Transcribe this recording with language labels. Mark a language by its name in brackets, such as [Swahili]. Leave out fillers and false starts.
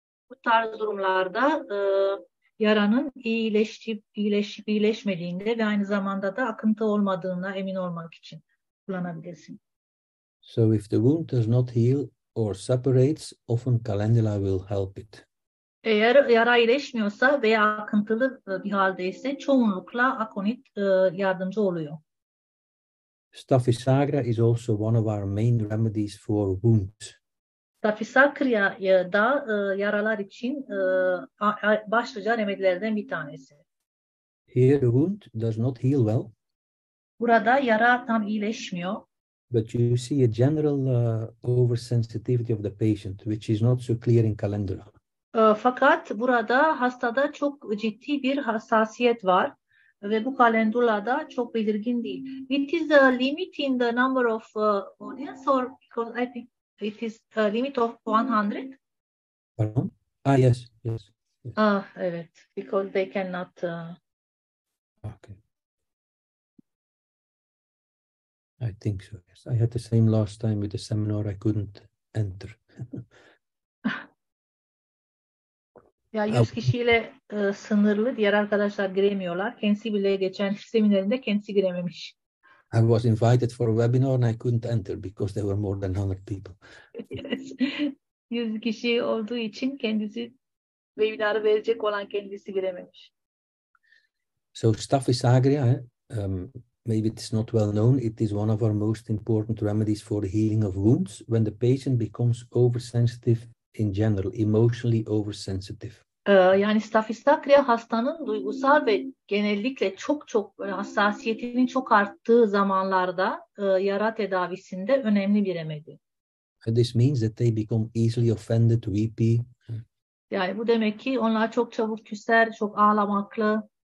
[Turkish] Bu tarz durumlarda yaranın iyileşmediğinde ve aynı zamanda da akıntı olmadığına emin olmak için kullanabilirsin. [English] So if the wound does not heal or separates, often calendula will help it. [Turkish] Eğer yara iyileşmiyorsa veya akıntılı bir haldeyse çoğunlukla akonit yardımcı oluyor. [English] Staphysagra is also one of our main remedies for wounds. [Turkish] Staphysagra da yaralar için başlıca remedilerden bir tanesi. [English] Here the wound does not heal well. [Turkish] Burada yara tam iyileşmiyor. [English] But you see a general oversensitivity of the patient, which is not so clear in calendula. [Turkish] Fakat burada hastada çok ciddi bir hassasiyet var ve bu kalendula da çok belirgin değil. [English] It is limiting the number of audience or because I think it is a limit of 100. Pardon? Ah yes, yes. Ah evet, because they cannot. Okay. I think so. Yes, I had the same last time with the seminar. I couldn't enter. [Turkish] Ya 100 kişiyle sınırlı, diğer arkadaşlar giremiyorlar. Kendisi bile geçen seminerinde kendisi girememiş. [English] I was invited for a webinar and I couldn't enter because there were more than 100 people. Yes. [Turkish] 100 kişi olduğu için kendisi webinarı verecek olan kendisi girememiş. [English] So Staphysagra, maybe it's not well known, it is one of our most important remedies for the healing of wounds when the patient becomes oversensitive. In general, emotionally oversensitive. [Turkish] Yani Staphysagra hastanın duygusal ve genellikle çok çok hassasiyetinin çok arttığı zamanlarda yara tedavisinde önemli bir remedi. [English] This means that they become easily offended, weepy. [Turkish] Yani bu demek ki onlar çok çabuk küser, çok ağlamaklı.